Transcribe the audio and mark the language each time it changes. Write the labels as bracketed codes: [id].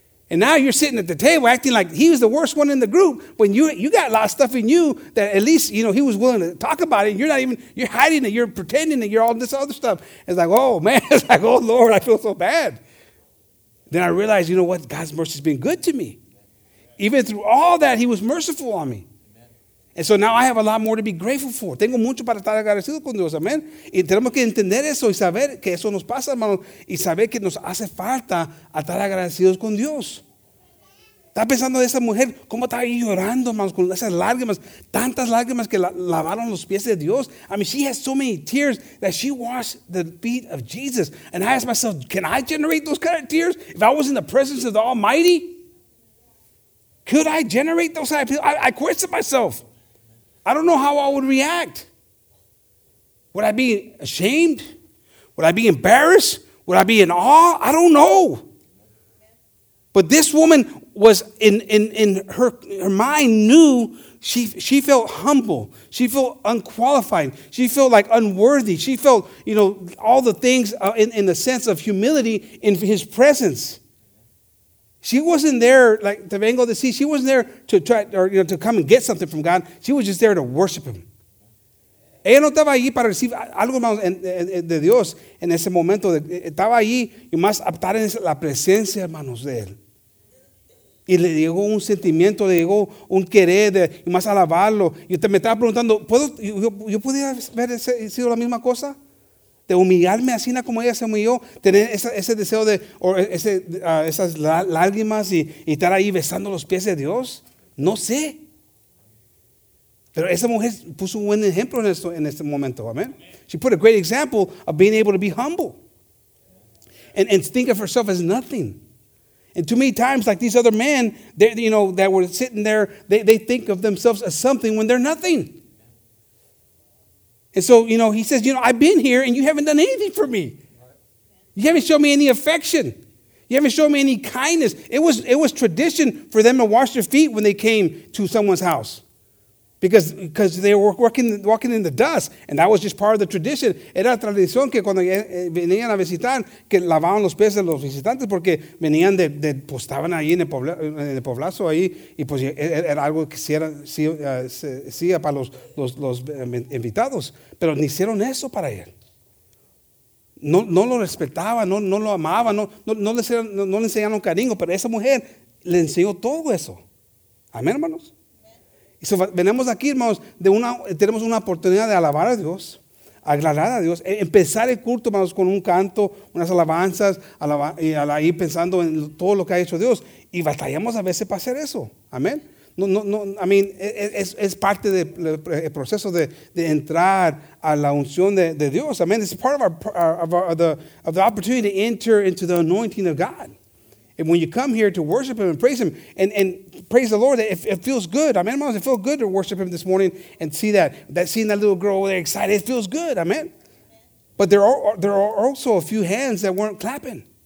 [en] And now you're sitting at the table acting like he was the worst one in the group when you got a lot of stuff in you that at least, you know, he was willing to talk about it. You're hiding it. You're pretending that you're all this other stuff. It's like, oh, man. It's like, oh, Lord, I feel so bad. Then I realized, you know what? God's mercy has been good to me. Even through all that, he was merciful on me. And so now I have a lot more to be grateful for. [es] Tengo mucho para estar agradecido con Dios. [en] Amen. [es] Y tenemos que entender eso y saber que eso nos pasa, hermano. Y saber que nos hace falta estar agradecidos con Dios. Está pensando de esa mujer, cómo está ahí llorando, hermano, con esas lágrimas. Tantas lágrimas que lavaron los pies de Dios. [en] I mean, she has so many tears that she washed the feet of Jesus. And I asked myself, can I generate those kind of tears if I was in the presence of the Almighty? Could I generate those kind of tears? I questioned myself. I don't know how I would react. Would I be ashamed? Would I be embarrassed? Would I be in awe? I don't know. But this woman was in her mind knew she felt humble. She felt unqualified. She felt like unworthy. She felt, you know, all the things in the sense of humility in his presence. She wasn't there, like [es] te vengo de decir, [en] she wasn't there to try or you know to come and get something from God. She was just there to worship him. [es] Ella no estaba allí para recibir algo más de Dios en ese momento. Estaba allí y más aptar en la presencia, hermanos, de él. Y le llegó un sentimiento, le llegó un querer de, y más alabarlo. Y usted me estaba preguntando, ¿puedo, yo podía haber sido la misma cosa? De humillarme así como ella se humilló, tener ese deseo de o ese, esas lágrimas y estar ahí besando los pies de Dios. No sé. Pero esa mujer puso un buen ejemplo en esto en este momento. Amen. [en] She put a great example of being able to be humble and think of herself as nothing. And too many times, like these other men, you know, that were sitting there, they think of themselves as something when they're nothing. And so, you know, he says, you know, I've been here and you haven't done anything for me. You haven't shown me any affection. You haven't shown me any kindness. It was tradition for them to wash their feet when they came to someone's house. Because they were walking in the dust. And that was just part of the tradition. [es] Era tradición que cuando venían a visitar, que lavaban los pies de los visitantes porque venían de pues estaban ahí en el poblazo ahí. Y pues era algo que hacía para los invitados. Pero ni hicieron eso para él. No lo respetaban, no lo amaban, no le enseñaron cariño. Pero esa mujer le enseñó todo eso. Amén, hermanos. So, venimos aquí, hermanos, tenemos una oportunidad de alabar a Dios, aclarar a Dios, empezar el culto, hermanos, con un canto, unas alabanzas, ahí pensando en todo lo que ha hecho Dios. Y batallamos a veces para hacer eso. Amén. Es parte del proceso de entrar a la unción de Dios. Amén. [en] It's part of the opportunity to enter into the anointing of God. And when you come here to worship him and praise him and praise the Lord, it feels good. Amen, hermanos. It feels good to worship him this morning and see that seeing that little girl over there excited. It feels good. Amen. But there are also a few hands that weren't clapping.